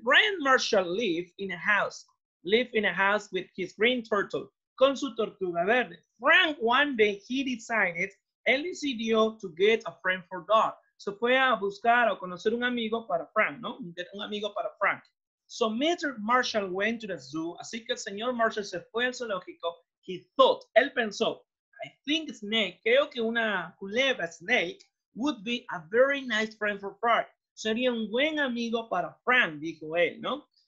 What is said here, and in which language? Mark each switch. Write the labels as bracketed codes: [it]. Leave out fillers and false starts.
[en] Brian Marshall lived in a house with his green turtle, [es] con su tortuga verde. [en] Frank, one day, [es] él decidió [en] to get a friend for dog. [es] Se fue a buscar o conocer un amigo para Frank, ¿no? Un amigo para Frank. So Mr. [en] Marshall went to the zoo. [es] Así que el señor Marshall se fue al zoológico. [en] He thought, [es] él pensó, [en] I think snake, [es] creo que una culebra [en] snake, would be a very nice friend for Frank. [es] Sería un buen amigo para Frank, dijo él, ¿no?